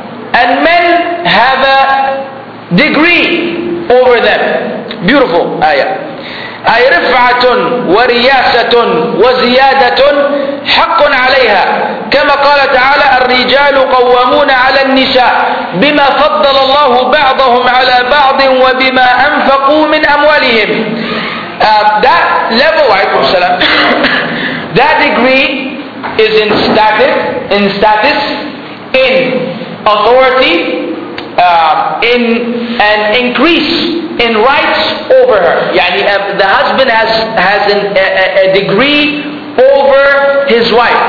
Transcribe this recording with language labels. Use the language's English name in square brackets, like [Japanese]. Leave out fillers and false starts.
[English] And men have a degree over them. Beautiful ayah. [Arabic] أي رفعة ورياسة وزيادة حق عليها كما قال تعالى الرجال قوامون على النساء بما فضل الله بعضهم على بعض وبما أنفقوا من أموالهم. [English] That level, [Arabic] عليكم السلام, [English] that degree is in status, in authority, in an increase in rights over her. Yani, the husband has a degree over his wife.